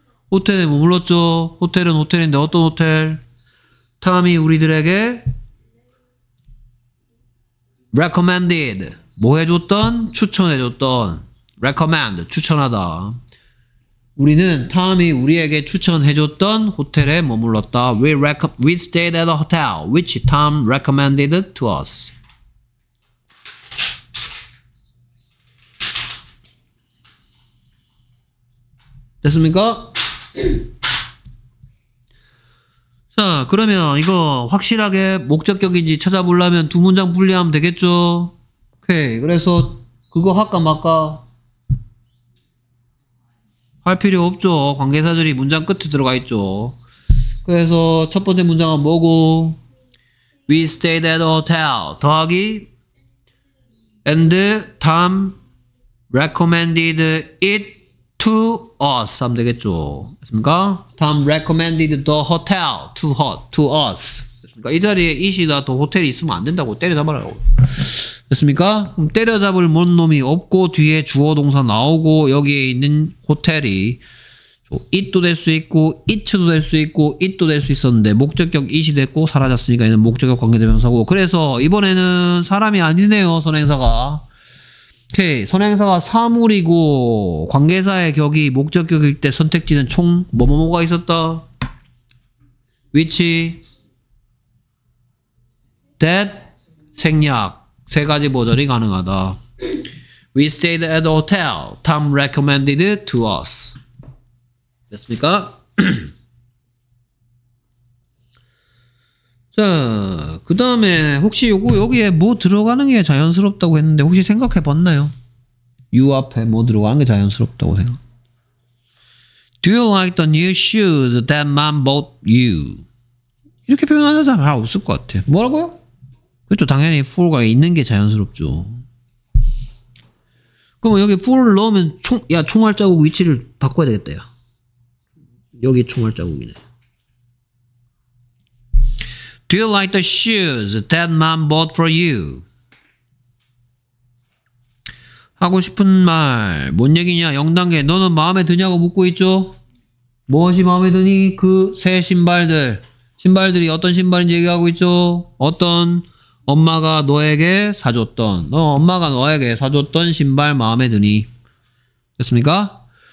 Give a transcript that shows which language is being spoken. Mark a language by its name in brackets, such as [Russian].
[Korean] 호텔에 머물렀죠. 호텔은 호텔인데 어떤 호텔? 탐이 우리들에게 recommended 뭐 해줬던? 추천해줬던 recommend 추천하다. 우리는 탐이 우리에게 추천해줬던 호텔에 머물렀다. [English] We stayed at a hotel which Tom recommended to us. [Korean] 됐습니까? 자, 그러면 이거 확실하게 목적격인지 찾아보려면 두 문장 분리하면 되겠죠? 오케이. 그래서 그거 할까 말까? 할 필요 없죠. 관계사절이 문장 끝에 들어가 있죠. 그래서 첫 번째 문장은 뭐고? [English] We stayed at a hotel [Korean] 더하기 [English] and Tom recommended it to us [Korean] 하면 되겠죠. 됐습니까? [English] Tom recommended the hotel to, hot, to us. [Korean] 됐습니까? 이 자리에 it이나 더 호텔이 있으면 안 된다고 때려잡아라고. 됐습니까? 그럼 때려잡을 뭔 놈이 없고 뒤에 주어 동사 나오고 여기에 있는 호텔이 it도 될 수 있고 it도 될 수 있고 it도 될 수 있었는데 목적격 it이 됐고 사라졌으니까 얘는 목적격 관계대명사고 그래서 이번에는 사람이 아니네요 선행사가. 오케이. 선행사가 사물이고 관계사의 격이 목적격일 때 선택지는 총 뭐뭐뭐가 있었다? which that 생략 세 가지 버전이 가능하다. [English] We stayed at a hotel. Tom recommended it to us. 됐습니까? [Korean] 자, 그 다음에 혹시 요거 여기에 뭐 들어가는 게 자연스럽다고 했는데 혹시 생각해 봤나요? You 앞에 뭐 들어가는 게 자연스럽다고 생각. [English] Do you like the new shoes that mom bought you? [Korean] 이렇게 표현하는 사람 잘 없을 것 같아. 뭐라고요? 그렇죠. 당연히 for가 있는 게 자연스럽죠. 그럼 여기 for를 넣으면 총, 야, 총알 자국 위치를 바꿔야 되겠다. 야. 여기 총알 자국이네. [English] Do you like the shoes that mom bought for you? [Korean] 하고 싶은 말, 뭔 얘기냐? 0단계, 너는 마음에 드냐고 묻고 있죠? 무엇이 마음에 드니? 그 새 신발들. 신발들이 어떤 신발인지 얘기하고 있죠? 어떤? 엄마가 너에게 사줬던 너 엄마가 너에게 사줬던 신발 마음에 드니 됐습니까?